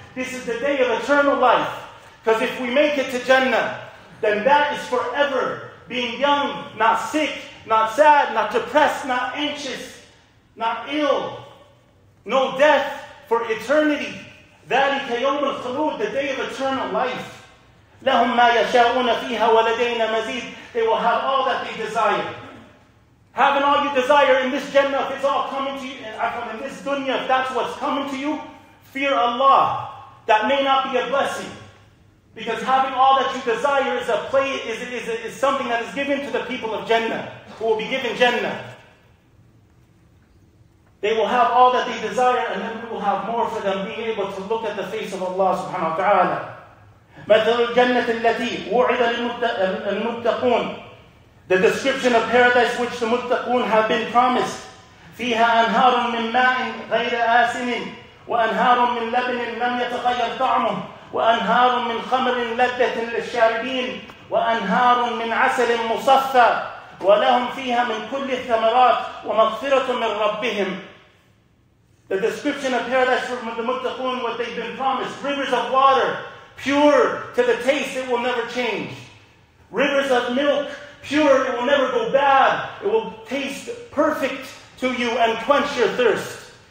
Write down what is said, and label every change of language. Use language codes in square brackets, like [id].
[en] This is the day of eternal life. Because if we make it to Jannah, then that is forever being young, not sick, not sad, not depressed, not anxious, not ill. No death for eternity. [ar] ذلك يوم الخلود, [en] the day of eternal life. [ar] لهم ما يشاءون فيها ولدينا مزيد. [en] They will have all that they desire. Having all you desire in this Jannah, if it's all coming to you, in this dunya, if that's what's coming to you, fear Allah. That may not be a blessing. Because having all that you desire is a play, is something that is given to the people of Jannah, who will be given Jannah. They will have all that they desire, and then we will have more for them, being able to look at the face of Allah subhanahu wa ta'ala. [ar] مثل الجنة التي وعد المتقون. [en] The description of paradise which the muttaqun have been promised. [ar] فيها أنهار من ماء غير آسن وأنهار من لبن لم يتغير طعمه وأنهار من خمر لذة للشاربين وأنهار من عسل مصفى ولهم فيها من كل الثمرات ومغفرة من ربهم. [en] The description of paradise from the muttaqun, what they've been promised. Rivers of water, pure to the taste, it will never change. Rivers of milk, pure, it will never go bad. It will taste perfect to you and quench your thirst.